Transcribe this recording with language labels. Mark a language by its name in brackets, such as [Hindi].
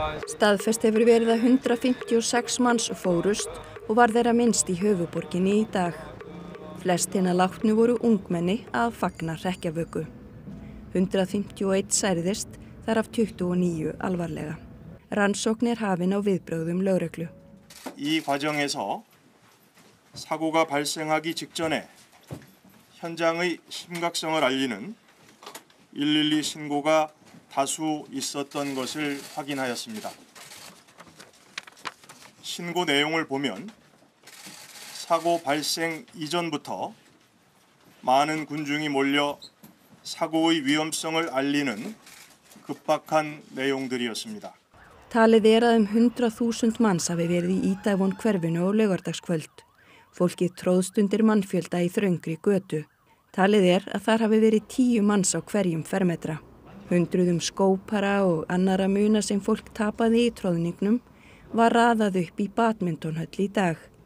[Icelandic] Staðfest hefur verið að 156 manns fórust og var þeirra minnst í höfuborginni í dag. Flest hinna látnu voru ungmenni að fagna hrekkjavöku. 151 særðist þar af 29 alvarlega. Rannsókn er hafin á viðbrögðum lögreglu. [Korean] Í 과정에서 사고가 발생하기 직전에 현장의 심각성을 알리는 112 신고가 다수 있었던 것을 확인하였습니다. 신고 내용을 보면 사고 발생 이전부터 많은 군중이 몰려 사고의 위험성을 알리는 급박한 내용들이었습니다. 탈에 대해 [Icelandic] 100,000 manns hafi verið í Ídavon hverfinu á laugardagskvöld. Fólkið tróðst undir mannfjölda í þröngri götu. Talið að þar hafi verið 10 manns á hverjum fermetra. Hundruðum skópara og annara muna sem fólk tapaði í tróðningnum var raðað upp í badmintonhöll í dag.